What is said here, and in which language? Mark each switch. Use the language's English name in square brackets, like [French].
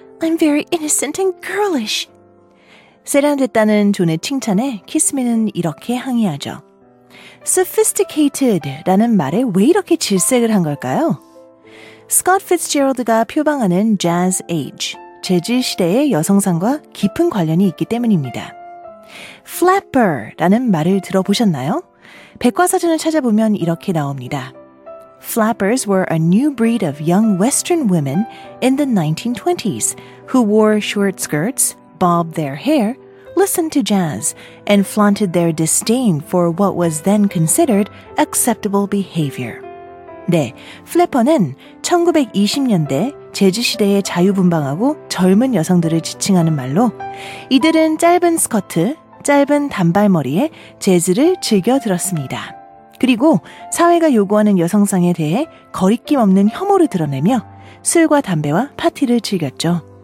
[English] I'm very innocent and girlish. [Korean] 세련됐다는 존의 칭찬에 키스민은 이렇게 항의하죠. Sophisticated라는 말에 왜 이렇게 질색을 한 걸까요? Scott Fitzgerald가 표방하는 Jazz Age, 재즈 시대의 여성상과 깊은 관련이 있기 때문입니다. Flapper라는 말을 들어보셨나요? 백과사전을 찾아보면 이렇게 나옵니다. [English] Flappers were a new breed of young Western women in the 1920s who wore short skirts, bobbed their hair, listened to jazz, and flaunted their disdain for what was then considered acceptable behavior. [Korean] 네, 플래퍼는 1920년대 재즈 시대의 자유분방하고 젊은 여성들을 지칭하는 말로 이들은 짧은 스커트, 짧은 단발머리에 재즈를 즐겨 들었습니다. 그리고 사회가 요구하는 여성상에 대해 거리낌 없는 혐오를 드러내며 술과 담배와 파티를 즐겼죠.